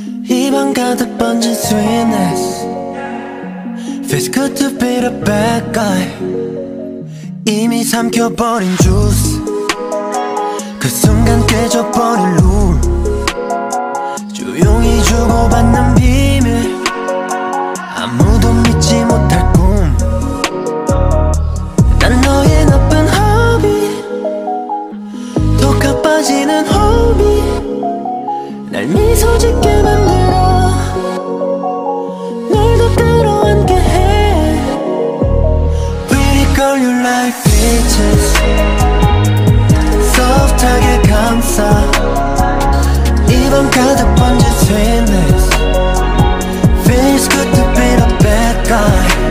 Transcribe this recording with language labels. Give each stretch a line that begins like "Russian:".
Korean: 입안 가득 번진 sweetness.
English: Feels good to be the bad guy.
Korean: 이미 삼켜버린 juice. 그 순간 깨져버린 rule. 조용히 주고받는 비밀. 아무도 믿지 못할 꿈. 난 너의 나쁜 hobby. 독에 빠지는 hobby. 날 미소 짓게 만들어. 널 더 끌어안게 해.
English: Pretty girl, you like peaches. Soft target 감싸.
Korean: 입안 가득 번진 sweetness.
English: Feels good to be the bad guy.